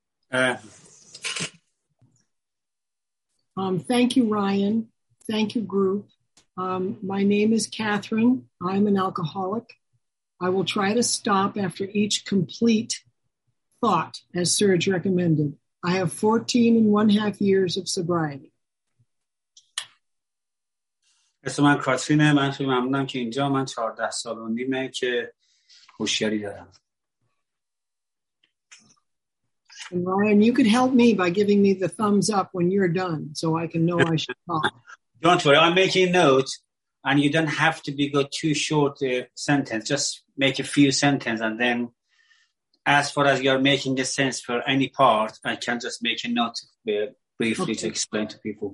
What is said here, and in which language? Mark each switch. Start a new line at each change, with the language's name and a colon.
English: Thank you, Ryan. Thank you, group. My name is Catherine. I'm an alcoholic. I will try to stop after each complete thought, as Serge recommended. I have 14 and one half years of sobriety.
Persian: اسم من کاترینه. من خیلی ممنونم که اینجا. من 14 سال و نیمه که هوشیاری دارم.
English: And Ryan, you could help me by giving me the thumbs up when you're done so I can know I should talk. Don't worry, I'm making notes and you don't have to be good too short sentence. Just make a few sentences and then as far as you're making a sense for any part, I can just make a note briefly okay. To explain to people.